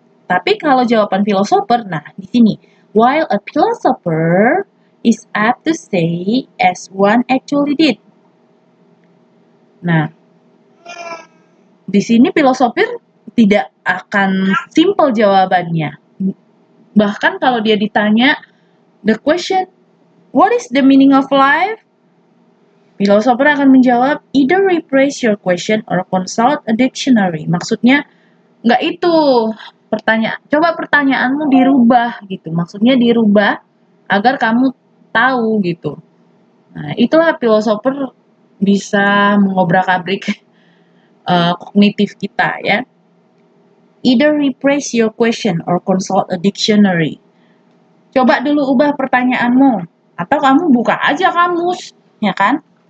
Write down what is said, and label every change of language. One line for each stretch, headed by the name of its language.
Indonesian: Tapi kalau jawaban philosopher, nah di sini,
English: while a philosopher is apt to say as one actually did.
Indonesian: Nah, di sini filosofir tidak akan simple jawabannya. Bahkan kalau dia ditanya,
English: the question, what is the meaning of life?
Indonesian: Filosofer akan menjawab,
English: either rephrase your question or consult a dictionary.
Indonesian: Maksudnya, nggak itu. Coba pertanyaanmu dirubah, gitu. Maksudnya dirubah agar kamu tahu, gitu. Nah, itulah filosofer bisa mengobrak-abrik kognitif kita ya.
English: Either rephrase your question or consult a dictionary.
Indonesian: Coba dulu ubah pertanyaanmu atau kamu buka aja kamus, ya kan?